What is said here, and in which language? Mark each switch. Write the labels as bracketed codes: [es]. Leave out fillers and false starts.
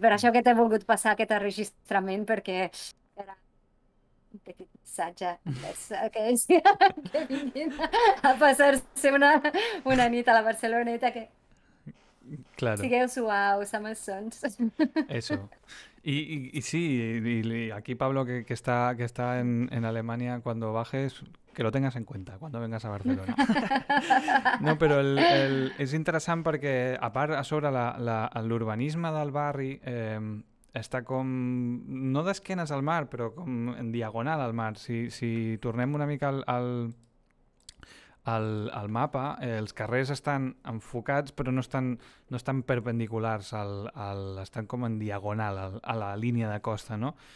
[ca] per això que t'he volgut passar aquest enregistrament, perquè era un petit missatge envers aquells que vinguin a passar-se una nit a la Barceloneta, que [es] Claro. [ca] Sigueu suaus, amb els sons. [es] Eso. Y sí, y aquí Pablo, que está en Alemania, cuando bajes, que lo tengas en cuenta cuando vengas a Barcelona. [ca] No, però és interessant perquè, a part, a sobre, l'urbanisme del barri està com, no d'esquenes al mar, però com en diagonal al mar. Si tornem una mica al mapa, els carrers estan enfocats, però no estan perpendiculars estan com en diagonal a la línia de costa, no?